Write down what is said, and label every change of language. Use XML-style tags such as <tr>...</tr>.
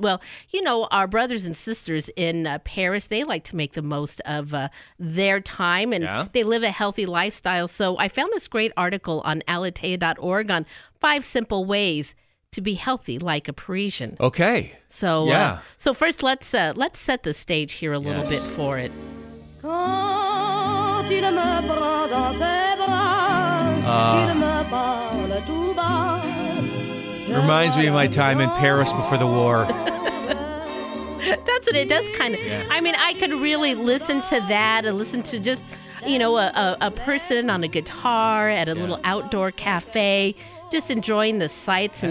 <en>Well, you know, our brothers and sisters in Paris, they like to make the most of their time and yeah. they live a healthy lifestyle. So I found this great article on Alitea.org on five simple ways to be healthy like a Parisian. Okay. So yeah. So first let's set the stage here a little yes. bit for it.</en> <fr>Quand il me prend dans ses bras, il me parle tout bas.</fr> <en>Reminds me of my time in Paris before the war. That's what it does kind of. Yeah. I mean, I could really listen to that and listen to just, you know, a person on a guitar at a yeah. little outdoor cafe. Just enjoying the sights and</en>